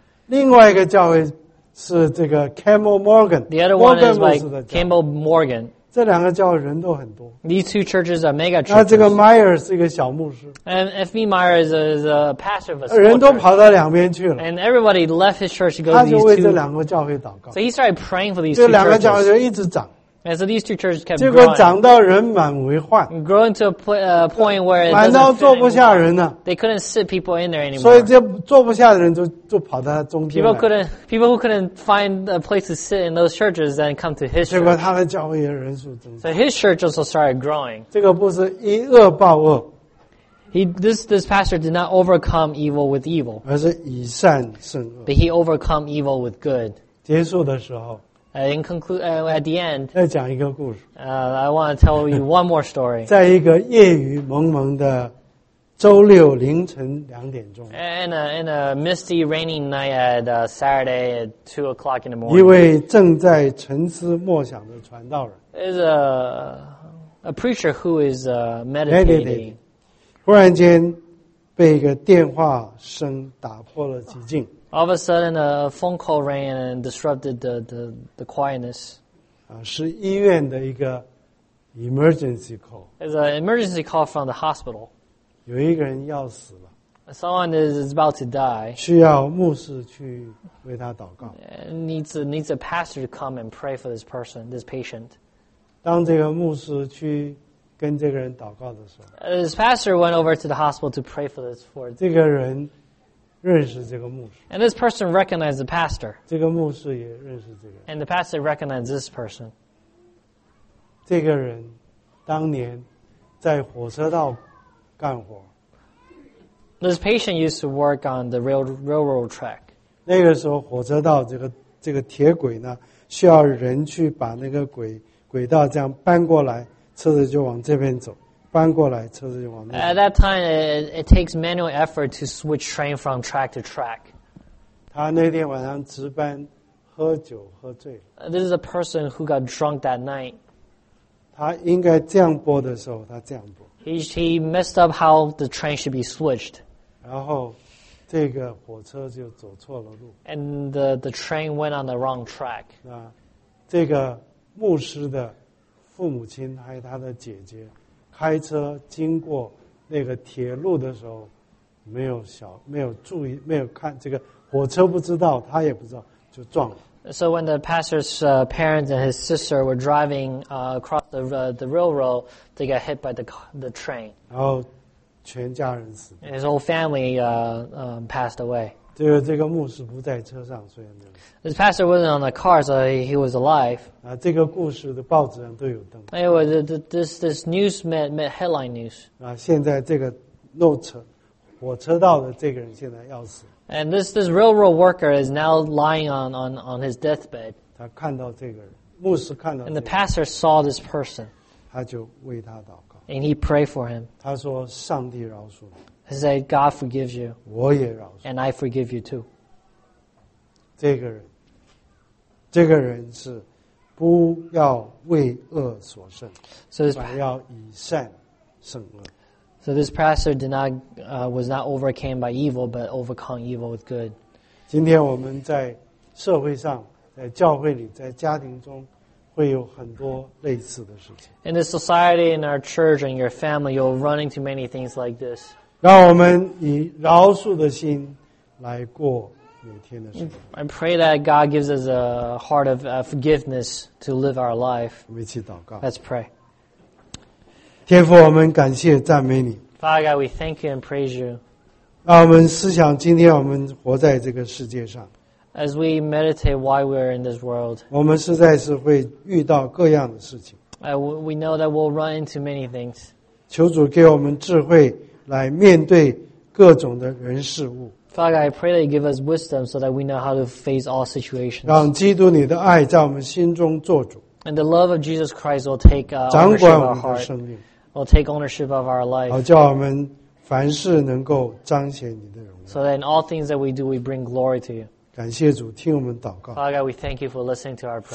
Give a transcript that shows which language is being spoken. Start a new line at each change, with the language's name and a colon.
Chinese: 另外一个教会是这个 Campbell Morgan.
English: The other one is like Campbell Morgan.
Chinese: 这两个教会人都很多。
English: These two churches are mega churches.
Chinese: 那这个 Meyer 是一个小牧师。
English: And F.B. Meyer is a pastor of a small
Chinese: 人都跑到两边去了。
English: And everybody left his church to go to these two.
Chinese: 他就为这两个教会祷告。
English: So he started praying for these two churches.
Chinese: 这两个教会就一直长。
English: And so these two churches kept
Chinese: 结果长到人满为患。
English: Growing to a point where it doesn't fit anymore.
Chinese: 满到坐不下人了。
English: They couldn't sit people in there anymore.
Chinese: 所以这坐不下的人就跑到他中间来。
English: People who couldn't find a place to sit in those churches then come to his church.
Chinese: 结果他的教会人数增加。
English: So his church also started growing.
Chinese: 这个不是一恶报恶。
English: This pastor did not overcome evil with evil.
Chinese: 而是以善胜恶。
English: But he overcome evil with good.
Chinese: 结束的时候。
English: At the end,
Chinese: 再讲一个故事。
English: I want to tell you one more story.
Chinese: 在一个夜雨蒙蒙的周六凌晨两点钟。
English: In a misty, rainy night at Saturday at 2:00 in the morning.
Chinese: 一位正在沉思默想的传道人。
English: Is a preacher who is meditating.
Chinese: 忽然间被一个电话声打破了寂静。
English: All of a sudden, a phone call rang and disrupted the quietness.
Chinese: 是医院的一个 emergency call.
English: It's an emergency call from the hospital.
Chinese: 有一个人要死了。
English: Someone is about to die.
Chinese: 需要牧师去为他祷告。
English: Needs a pastor to come and pray for this person, this patient.
Chinese: 当这个牧师去跟这个人祷告的时候。
English: His pastor went over to the hospital to pray for this for
Chinese: 这个人。认识这个牧师。
English: And this person recognized the pastor.
Chinese: 这个牧师也认识这个。
English: And the pastor recognized this person.
Chinese: 这个人当年在火车道干活。
English: This patient used to work on the railroad track.
Chinese: 那个时候火车道这个铁轨呢需要人去把那个轨道这样搬过来车子就往这边走。搬过来，车子就往那边。
English: At that time, it takes manual effort to switch train from track to track.
Chinese: 他那天晚上值班，喝酒喝醉了。
English: This is a person who got drunk that night.
Chinese: 他应该这样拨的时候，他这样拨。
English: He messed up how the train should be switched.
Chinese: 然后，这个火车就走错了路。
English: And the train went on the wrong track.
Chinese: 那这个牧师的父母亲还有他的姐姐。开车经过那个铁路的时候，没有注意，没有看这个火车，不知道，他也不知道，就撞了。
English: So when the pastor's parents and his sister were driving across the railroad, they got hit by the train.
Chinese: 然后全家人死。
English: His whole family passed away.
Chinese: 这个牧师不在车上，所以没有。
English: His pastor wasn't on the car, so he was alive.
Chinese: 这个故事的报纸上都有登。
English: Anyway, this news met headline news.
Chinese: 现在这个火车道的这个人现在要死。
English: And this railroad worker is now lying on his deathbed.
Chinese: 他看到这个人，牧师看到、这个。
English: And the pastor saw this person.
Chinese: 他就为他祷告。
English: And he prayed for him.
Chinese: 他说：“上帝饶恕你。”
English: He said, "God forgives you."
Chinese: 我也饶恕。
English: And I forgive you too.
Chinese: 这个人是不要为恶所胜，反要以善胜恶。
English: So this pastor did not was not overcame by evil, but overcome evil with good.
Chinese: 今天我们在社会上，在教会里，在家庭中，会有很多类似的事情。
English: In the society, in our church, in your family, you'll run into many things like this.
Chinese: 让我们以饶恕的心来过每天的生活。
English: I pray that God gives us a heart of forgiveness to live our life.
Chinese: 我们一起祷告。
English: Let's pray.
Chinese: 天父，我们感谢赞美你。
English: Father God, we thank you and praise you.
Chinese: 让我们思想今天我们活在这个世界上。
English: As we meditate why we're in this world,
Chinese: 我们实在是会遇到各样的事情。
English: We know that we'll run into many things.
Chinese: 求主给我们智慧来面对各种的人事物。
English: Father, I pray that you give us wisdom so that we know how to face all situations.
Chinese: 让基督你的爱在我们心中做主。
English: And the love of Jesus Christ will take ownership of our heart. Will take ownership of our life.
Chinese: 好叫我们凡事能够彰显你的荣耀。
English: So that in all things that we do, we bring glory to you.
Chinese: 感谢主听我们祷告。
English: Father, we thank you for listening to our prayer.